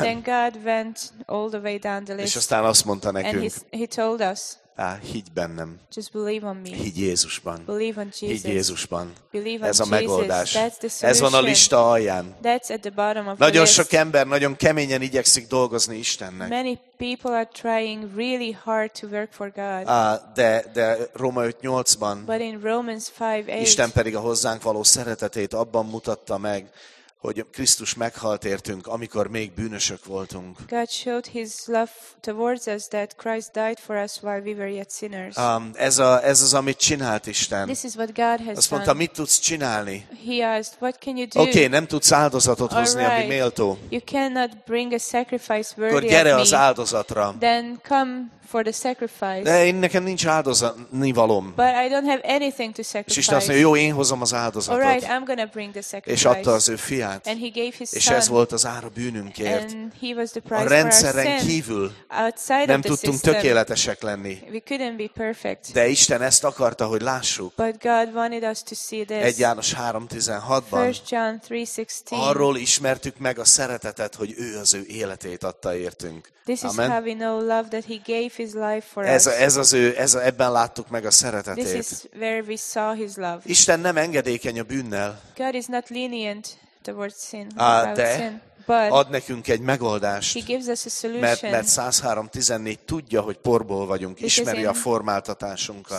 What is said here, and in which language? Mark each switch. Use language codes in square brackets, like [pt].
[en] And then God went all the way down the list. [hu] És aztán azt mondta nekünk. [en] And he told us. [hu] Higgy bennem. [en] Just believe on me. [hu] Higgy Jézusban. [en] Believe on Jesus. [hu] Higgy Jézusban. [en] Believe on [hu] ez a megoldás. [en] Jesus. That's the solution. [hu] Ez van a lista alján. [en] That's at the bottom of [hu] nagyon [en] the [hu] sok [en] list. [hu] Ember nagyon keményen igyekszik dolgozni Istennek. [en] Many people are trying really hard to work for God. [hu] De Róma 5:8-ban. [en] But in Romans 5:8. [hu] Isten pedig a hozzánk való szeretetét abban mutatta meg, hogy Krisztus meghalt értünk, amikor még bűnösök voltunk. [en] God showed his love towards us that Christ died for us while we were yet sinners. [hu] Ez az, amit csinált Isten. [en] This is what God has done. [hu] Azt mondta, mit tudsz csinálni? [en] He asked, what can you do? [hu] Okay, nem tudsz áldozatot hozni, [en] right, [hu] ami méltó. [en] You cannot bring a sacrifice worthy [hu] akkor gyere az áldozatra. [en] Then come for the sacrifice. [hu] De én nekem nincs áldozatni valóm. [en] But I don't have anything to sacrifice. [hu] És Isten azt mondja, jó, én hozom az áldozatot. [en] All right, I'm gonna bring the sacrifice. [hu] És adta az ő fiát. [en] And he gave his son. [hu] És ez volt az ára bűnünkért. [en] And he was the price [hu] a rendszeren kívül [en] outside [hu] nem tudtunk [en] system, [hu] tökéletesek lenni. [en] We couldn't be perfect. [hu] De Isten ezt akarta, hogy lássuk. [en] But God wanted us to see this. [hu] 1 János 3:16-ban. [en] 1 John 3:16. [hu] Arról ismertük meg a szeretetet, hogy ő az ő életét adta értünk. [en] This amen. Is how we know love that he gave his life for [hu] ez, [en] us. [hu] Ez ebben láttuk meg a szeretetét. [en] This is where we saw his love. [hu] Isten nem engedékeny a bűnnel. [en] God is not lenient. [hu] De ad nekünk egy megoldást, [en] he gives us a solution, [hu] mert 103:14 tudja, hogy porból vagyunk, ismeri a formáltatásunkat.